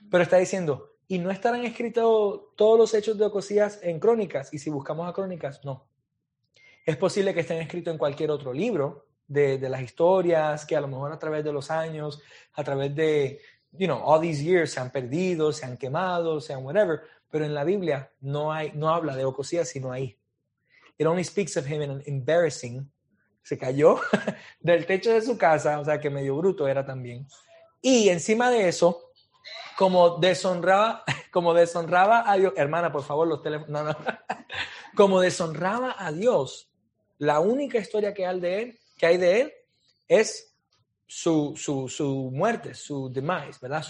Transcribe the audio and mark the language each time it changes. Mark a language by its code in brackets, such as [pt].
[es] Pero está diciendo, ¿y no estarán escritos todos los hechos de Ocosías en crónicas? Y si buscamos a crónicas, no. Es posible que estén escritos en cualquier otro libro de las historias, que a lo mejor a través de los años, a través de, [en] you know, all these years, [es] se han perdido, se han quemado, se han [en] whatever. [es] Pero en la Biblia no habla de Ocosías, sino ahí. [en] It only speaks of him in an embarrassing. [es] Se cayó del techo de su casa, o sea que medio bruto era también. Y encima de eso, como deshonraba a Dios, hermana, por favor, los teléfonos, no. Como deshonraba a Dios, la única historia que hay de él es su muerte, su demise, ¿verdad?